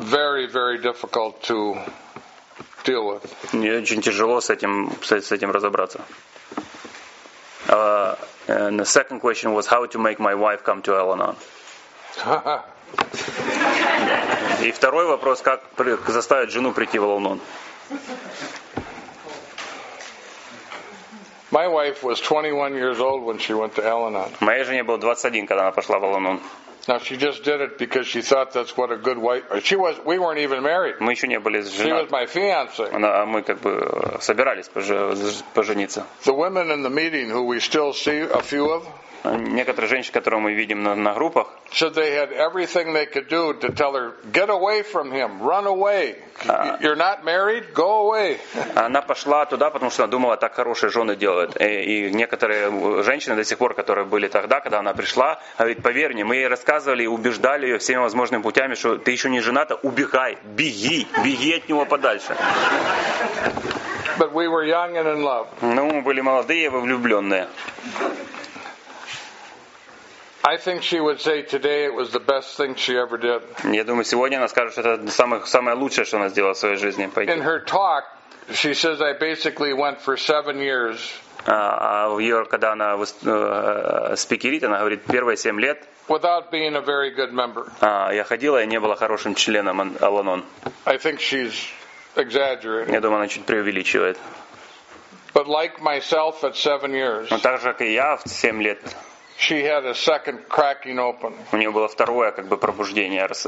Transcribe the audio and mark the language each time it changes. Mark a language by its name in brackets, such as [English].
[English] And it is very, very difficult to deal with. [Russian] Мне очень тяжело с этим разобраться. [English] And the second question was how to make my wife come to Al-Anon. [Russian] И второй вопрос, как заставить жену прийти в Алонон. [English] My wife was 21 years old when she went to Al-Anon. [Russian] Моя жена была 21, когда она пошла в Алонон. [English] Now she just did it because she thought that's what a good wife. She was. We weren't even married. [Russian] Мы еще не были женаты. [English] She was my fiance. [Russian] Мы как бы собирались пожениться. [English] The women in the meeting who we still see a few of. [Russian] Некоторые женщины, которые мы видим на группах, [English] said they had everything they could do to tell her, get away from him, run away. You're not married, go away. [Russian] Она пошла туда, потому что она думала, так хорошие жены делают. И некоторые женщины до сих пор, которые были тогда, когда она пришла, говорит, поверь мне, мы ей рассказывали и убеждали ее всеми возможными путями, что ты еще не жената, убегай, беги от него подальше. [English] But we were young and in love. [Russian] Ну, мы были молодые и влюбленные. [English] I think she would say today it was the best thing she ever did. [Russian] Я думаю, сегодня она скажет, что это самое лучшее, что она сделала в своей жизни. [English] In her talk, she says I basically went for 7 years. [Russian] А в ее, когда она спикерит, она говорит, первые 7 лет. [English] Without being a very good member. [Russian] Я ходила, я не была хорошим членом Al-Anon. [English] I think she's exaggerating. [Russian] Я думаю, она чуть преувеличивает. [English] But like myself at 7 years. [Russian] Но так же, как и я в 7 лет. [English] She had a second cracking open. [Russian] У нее было второе как бы пробуждение.